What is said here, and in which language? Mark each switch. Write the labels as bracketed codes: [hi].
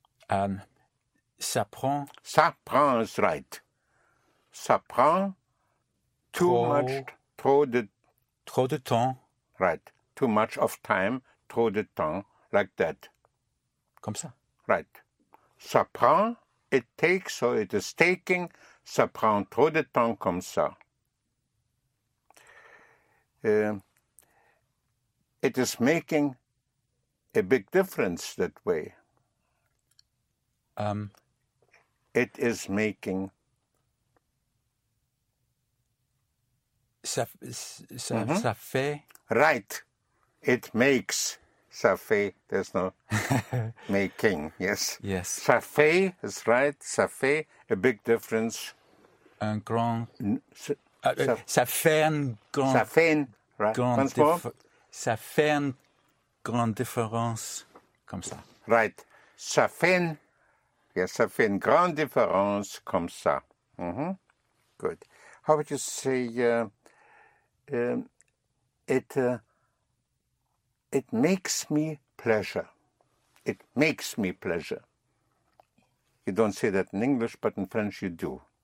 [fr] Ça prend. Ça prend [en] is right. [fr] ça prend trop de temps. Right. [en] Too much of time, [fr] trop de temps, [en] like that. [fr] Comme ça. [en] Right. [fr] Ça prend, [en] it takes, so it is taking, [fr] ça prend trop de temps comme ça. [en] It is making a big difference that way. It is making... [fr] Ça fait... [en] Right. It makes. [fr] Ça fait. [en] There's no making. Yes. Yes. [fr] Ça fait [en] is right. Ça fait a big difference. [fr] Un grand... Ça fait un grand... Ça fait un... Right. Grand ça fait une grande différence comme ça. [en] Right. [fr] Ça fait une, yeah, ça fait une grande différence comme ça. [en] Mm-hmm. Good. How would you say it makes me pleasure. It makes me pleasure. You don't say that in English, but in French you do.